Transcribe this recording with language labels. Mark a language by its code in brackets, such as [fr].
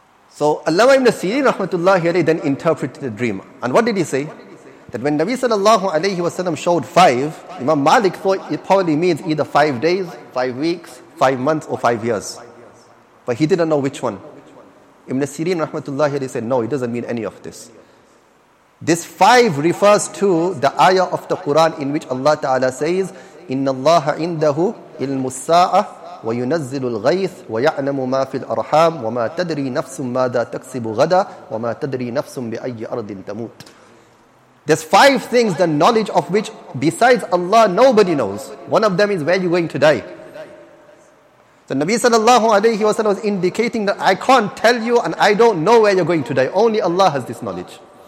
[en] So Allama Ibn Sirin rahmatullahi alayhi then interpreted the dream. And what did he say? That when Nabi sallallahu alayhi wa sallam showed 5, Imam Malik thought it probably means either 5 days, 5 weeks, 5 months, or 5 years. But he didn't know which one. Ibn Sirin rahmatullahi alayhi said, no, it doesn't mean any of this. This 5 refers to the ayah of the Quran in which Allah Ta'ala says, [ar] إِنَّ اللَّهَ عِنْدَهُ إِلْمُ السَّاعَةِ وَيُنَزِّلُ الْغَيْثِ وَيَعْلَمُ مَا فِي الْأَرْحَامِ وَمَا تَدْرِي نَفْسٌ مَاذَا تَكْسِبُ غَدَى وَمَا تَدْرِي نَفْسٌ بِأَيِّ أَرْضٍ تَمُوتِ. [en] There's 5 things, the knowledge of which besides Allah nobody knows. One of them is where you're going to die. The Nabi sallallahu alayhi wa sallam was indicating that I can't tell you and I don't know where you're going to die. Only Allah has this knowledge.